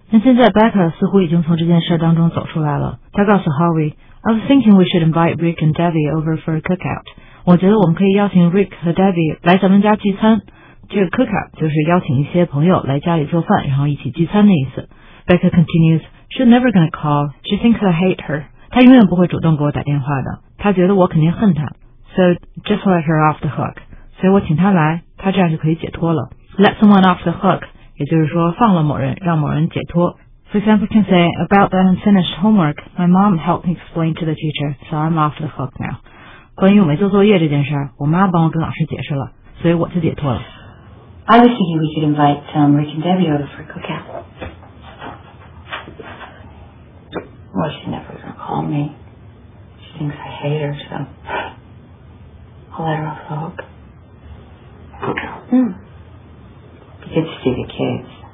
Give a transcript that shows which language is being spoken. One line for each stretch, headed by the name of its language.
Chinese: 那现在贝克似乎已经从这件事当中走出来了。他告诉
English: Harvey， I was thinking we should invite Rick and Debbie over for a cookout。
Chinese: 我觉得我们可以邀请 Rick 和 Debbie 来咱们家聚餐。这个 cookout 就是邀请一些朋友来家里做饭，然后一起聚餐的意思。
English: Becca continues, she's never gonna call. She thinks I hate her.
Chinese: 她永远不会主动给我打电话的。她觉得我肯定恨她。
English: So just let her off the hook.
Chinese: 所以我请她来，她这样就可以解脱了。
English: Let someone off the hook，
Chinese: 也就是说放了某人，让某人解脱。
English: For example, can say about the unfinished homework. My mom helped me explain to the teacher, so I'm off the hook now.
Chinese: 关于我没做作业这件事，我妈帮我跟老师解释了，所以我就解脱了。
English: I was thinking we could invite Rick and Debbie over for a cookout. Well, she's never gonna call me. She thinks I hate her, so I'll let her off the hook. Be good to see the kids.